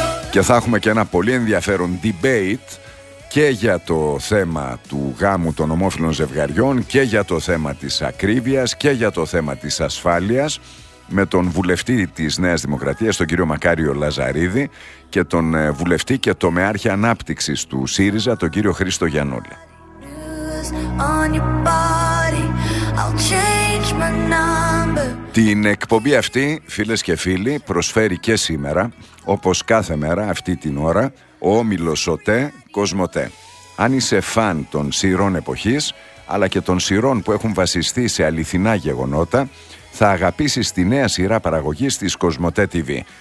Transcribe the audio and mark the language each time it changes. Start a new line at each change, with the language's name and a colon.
Greek: Και θα έχουμε και ένα πολύ ενδιαφέρον debate και για το θέμα του γάμου των ομόφυλων ζευγαριών και για το θέμα της ακρίβειας και για το θέμα της ασφάλειας με τον βουλευτή της Νέας Δημοκρατίας, τον κύριο Μακάριο Λαζαρίδη και τον βουλευτή και τομεάρχη ανάπτυξης του ΣΥΡΙΖΑ, τον κύριο Χρήστο Γιαννούλη.
English: On your body, I'll change my number.
Greek: Την εκπομπή αυτή, φίλες και φίλοι, προσφέρει και σήμερα, όπως κάθε μέρα αυτή την ώρα, ο Όμιλος ΟΤΕ Κοσμοτέ. Αν είσαι φαν των σειρών εποχής, αλλά και των σειρών που έχουν βασιστεί σε αληθινά γεγονότα, θα αγαπήσεις τη νέα σειρά παραγωγής της Κοσμοτέ TV.